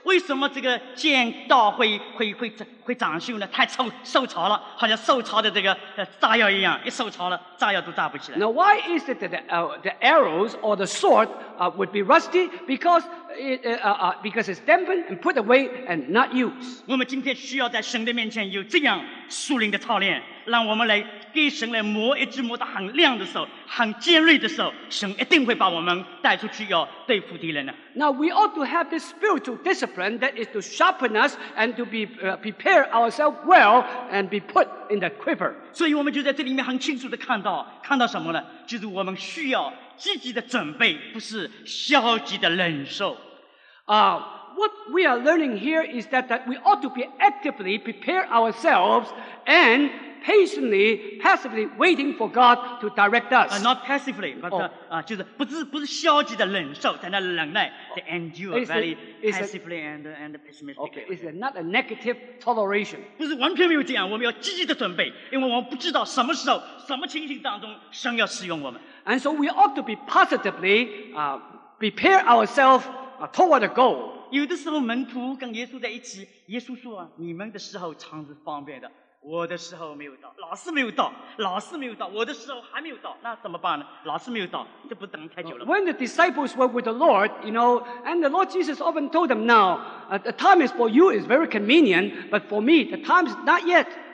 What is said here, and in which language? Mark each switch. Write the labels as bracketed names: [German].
[Chinese] 为什么这个箭道会长锈呢？太受潮了，好像受潮的这个炸药一样，一受潮了，炸药都炸不起来。 [English] Now why is it that the arrows or the sword would be rusty? Because because it's dampened and put away and not used. [Chinese] 我们今天需要在神的面前有这样属灵的操练，让我们来给神来磨一支磨得很亮的时候，很尖锐的时候，神一定会把我们带出去要对付敌人的。 [English] Now we ought to have this spiritual discipline that is to sharpen us and to be prepare ourselves well and be put in the quiver. [Chinese] 所以我们就在这里面很清楚地看到什么呢？就是我们需要积极的准备，不是消极的忍受。 [English] What we are learning here is that we ought to be actively prepare ourselves and patiently, passively waiting for God to direct us. Not passively, but [Chinese] 就是不是消极的忍受，在那忍耐 [English] to endure very passively and pessimistic. Okay, it's not a negative toleration. [Chinese] 不是完全没有这样，我们要积极的准备，因为我们不知道什么时候、什么情形当中，神要使用我们。 [English] And so we ought to be positively prepare ourselves toward a goal. [Chinese] 有的时候门徒跟耶稣在一起，耶稣说你们的时候常是方便的，我的时候没有到，老是没有到，我的时候还没有到，那怎么办呢？老是没有到，这不等太久了。 [English] When the disciples were with the Lord, you know, and the Lord Jesus often told them, now, the time is for you is very convenient, but for me, the time is not yet.